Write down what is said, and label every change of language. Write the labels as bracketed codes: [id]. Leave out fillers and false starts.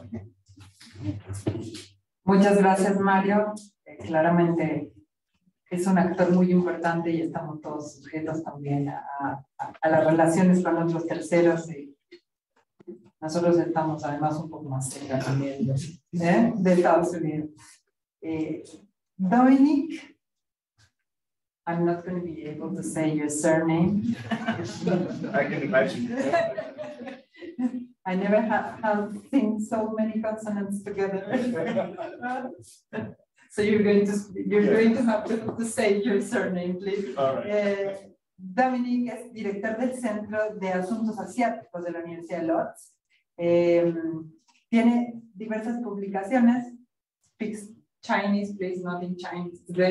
[es] aquí. Muchas gracias, Mario. Claramente es un actor muy importante y estamos todos sujetos también a las relaciones con otros terceros y nosotros estamos además un poco más cerca también de Estados Unidos. [en] Dominik, I'm not going to be able to say your surname. I can imagine. I never have seen so many consonants together. So you're going to have to say your surname, please. All right. [es] Dominik es director del Centro de Asuntos Asiáticos de la Universidad de Lodz. Tiene diversas publicaciones. [en] Speaks Chinese, please, not in Chinese.